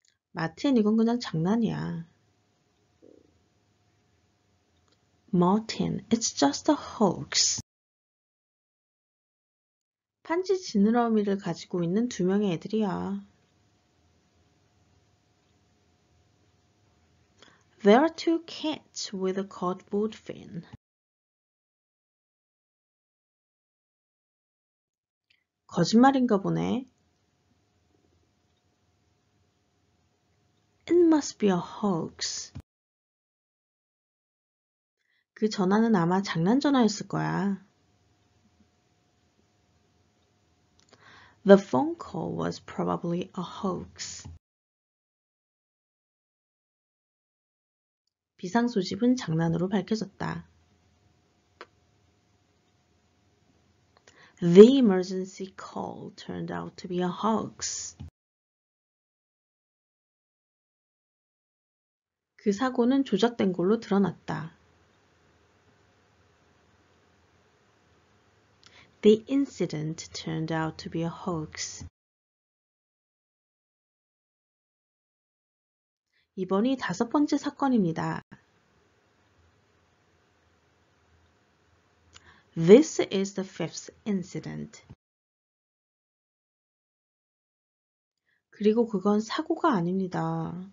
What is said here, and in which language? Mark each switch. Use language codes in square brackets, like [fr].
[ko] 마틴, 이건 그냥 장난이야. [en] Martin, it's just a hoax. [ko] 판지 지느러미를 가지고 있는 두 명의 애들이야. [en] There are two cats with a cardboard fin. [ko] 거짓말인가 보네. [en] It must be a hoax. [ko] 그 전화는 아마 장난 전화였을 거야. [en] The phone call was probably a hoax. [ko] 비상 소집은 장난으로 밝혀졌다. [en] The emergency call turned out to be a hoax. [ko] 그 사고는 조작된 걸로 드러났다. [en] The incident turned out to be a hoax. [ko] 이번이 다섯 번째 사건입니다. [en] This is the fifth incident. [ko] 그리고 그건 사고가 아닙니다.